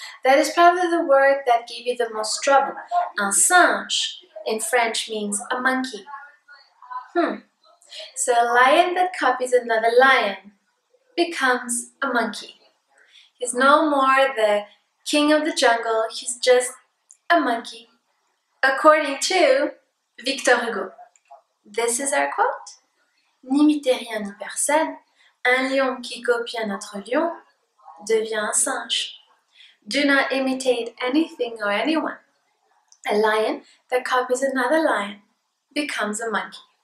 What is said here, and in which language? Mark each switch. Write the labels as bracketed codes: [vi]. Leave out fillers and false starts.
[en] That is probably the word that gave you the most trouble. [fr] Un singe [en] in French means a monkey. So a lion that copies another lion becomes a monkey. He's no more the king of the jungle, he's just a monkey. According to Victor Hugo. This is our quote. [fr] N'imitez rien ni personne, un lion qui copie un autre lion devient un singe. [en] Do not imitate anything or anyone. A lion that copies another lion becomes a monkey.